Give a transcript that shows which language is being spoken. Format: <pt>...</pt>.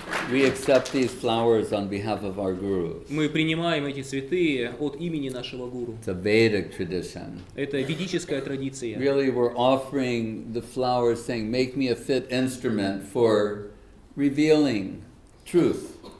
<en>We accept these flowers on behalf of our guru.</en> <ru>Мы принимаем эти цветы от имени нашего гуру.</ru> <en>It's a Vedic tradition.</en> <ru>Это ведическая традиция.</ru> <en>Really, we're offering the flowers, saying, "Make me a fit instrument for revealing truth."</en>